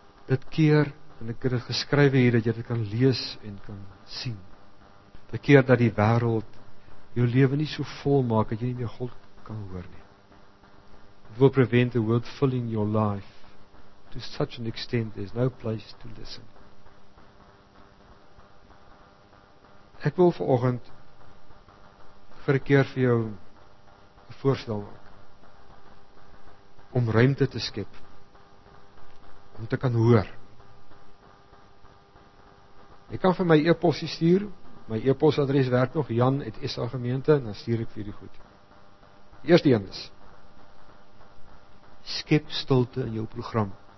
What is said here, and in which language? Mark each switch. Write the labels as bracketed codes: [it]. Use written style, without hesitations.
[af] Dit keer, en ek het dit geskryf hier, dat jy dit kan lees en kan sien. Dit keer dat die wêreld jou lewe nie so vol maak, dat jy nie meer God kan hoor nie. [en] It will prevent the world filling your life. To such an extent, there's no place to listen. [af] Ek wil vanoggend vir 'n keer vir jou 'n voorstel maak. Om ruimte te skep. Om te kan hoor. Jy kan vir my e-posse stuur. My e-posadres werk nog, jan@sagemeente, en dan stuur ek vir die goed. Die eerste een is, skep stilte in jou program.